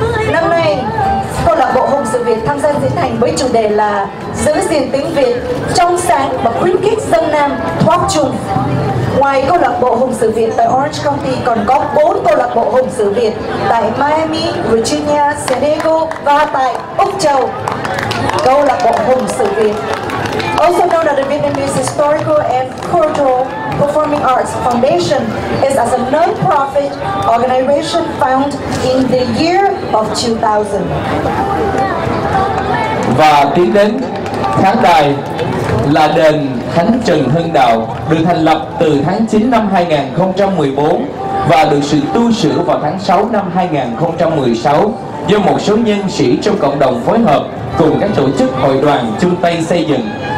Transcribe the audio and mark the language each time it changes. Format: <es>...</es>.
<vi>Năm nay câu lạc bộ Hùng Sử Việt tham gia diễn hành với chủ đề là giữ gìn tiếng Việt trong sáng và khuyến khích dân Nam thoát chung. Ngoài câu lạc bộ Hùng Sử Việt tại Orange County còn có 4 câu lạc bộ Hùng Sử Việt tại Miami, Virginia, San Diego và tại Úc Châu.</vi> <en>Câu lạc bộ Hùng Sử Việt, also known as the Vietnamese Historical and Cultural Performing Arts Foundation, is as a non-profit organization founded in the year of 2000.</en> <vi>Và tiến đến khán đài là Đền Thánh Trần Hưng Đạo, được thành lập từ tháng 9 năm 2014 và được sự tu sửa vào tháng 6 năm 2016 do một số nhân sĩ trong cộng đồng phối hợp cùng các tổ chức hội đoàn chung tay xây dựng.</vi>